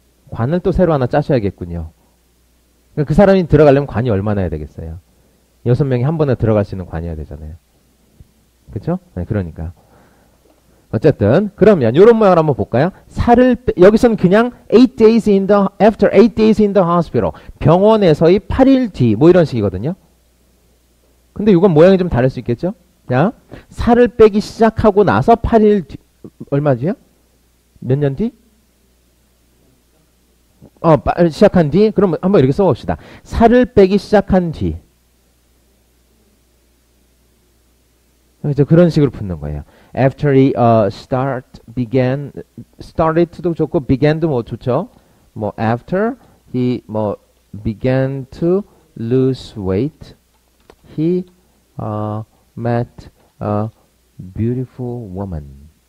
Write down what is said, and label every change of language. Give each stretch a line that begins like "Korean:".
Korean: 관을 또 새로 하나 짜셔야겠군요. 그 사람이 들어가려면 관이 얼마나 해야 되겠어요? 여섯 명이 한 번에 들어갈 수 있는 관이어야 되잖아요. 그쵸? 네, 그러니까. 어쨌든, 그러면, 요런 모양을 한번 볼까요? 여기서는 그냥,
English: after 8 days in the hospital.
Korean: 병원에서의 8일 뒤. 뭐 이런 식이거든요? 근데 이건 모양이 좀 다를 수 있겠죠? 자, 살을 빼기 시작하고 나서 8일 뒤. 얼마 뒤요? 몇년 뒤? 시작한 뒤? 그럼 한번 이렇게 써봅시다. 살을 빼기 시작한 뒤. 그래서 그런 식으로 붙는 거예요.
English: After he start began
Korean: started도 좋고 began도 뭐 좋죠.
English: 뭐 after he 뭐 began to lose weight, he met a beautiful woman.